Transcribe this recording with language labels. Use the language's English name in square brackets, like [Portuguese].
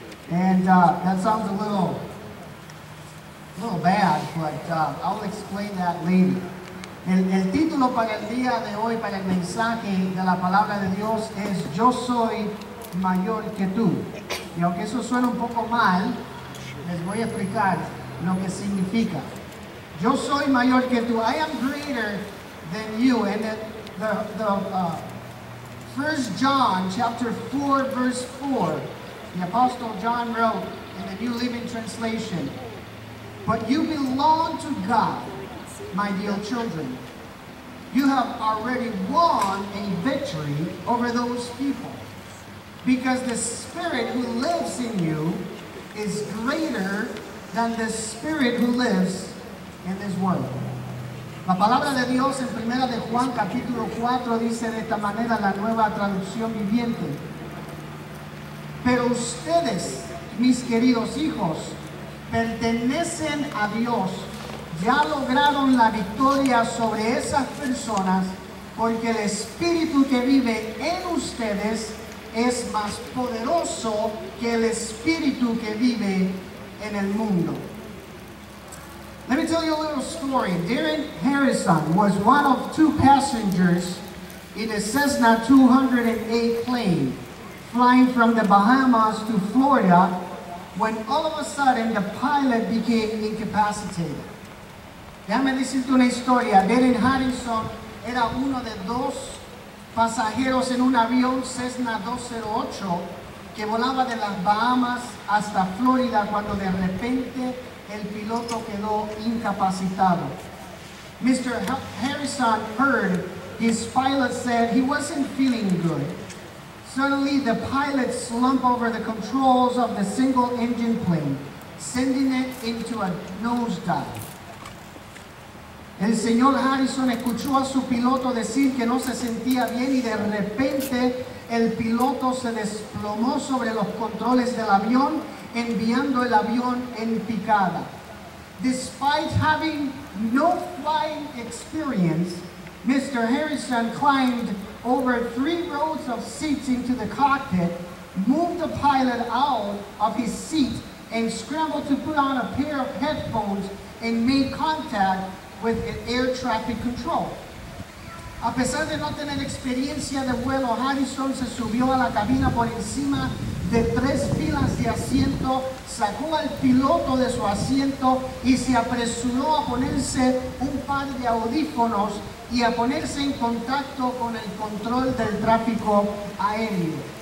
[English] And that sounds a little bad, but I'll explain that later. [Spanish] El título para el día de hoy, para el mensaje de la palabra de Dios, es Yo Soy Mayor Que Tú. Y aunque eso suena un poco mal, les voy a explicar lo que significa. Yo soy mayor que tú. [English] I am greater than you. And the 1 John chapter 4, verse 4, the Apostle John wrote in the New Living Translation, But you belong to God, my dear children. You have already won a victory over those people. Because the Spirit who lives in you is greater than the spirit who lives in this world. [Spanish] La palabra de Dios en primera de Juan capítulo 4 dice de esta manera, la nueva traducción viviente. Pero ustedes, mis queridos hijos, pertenecen a Dios. Ya lograron la victoria sobre esas personas porque el espíritu que vive en ustedes es más poderoso que el espíritu que vive en el mundo. [English] Let me tell you a little story. Darren Harrison was one of two passengers in a Cessna 208 plane flying from the Bahamas to Florida when all of a sudden the pilot became incapacitated. [Spanish] Déjame decirte una historia. Darren Harrison era uno de dos pasajeros en un avión Cessna 208 que volaba de las Bahamas hasta Florida cuando de repente el piloto quedó incapacitado. [English] Mr. Harrison heard his pilot said he wasn't feeling good. Suddenly, the pilot slumped over the controls of the single engine plane, sending it into a nosedive. [Spanish] El señor Harrison escuchó a su piloto decir que no se sentía bien y de repente el piloto se desplomó sobre los controles del avión, enviando el avión en picada. [English] Despite having no flying experience, Mr. Harrison climbed over three rows of seats into the cockpit, moved the pilot out of his seat, and scrambled to put on a pair of headphones and made contact with an air traffic control. [Spanish] A pesar de no tener experiencia de vuelo, Harrison se subió a la cabina por encima de tres filas de asiento, sacó al piloto de su asiento y se apresuró a ponerse un par de audífonos y a ponerse en contacto con el control del tráfico aéreo.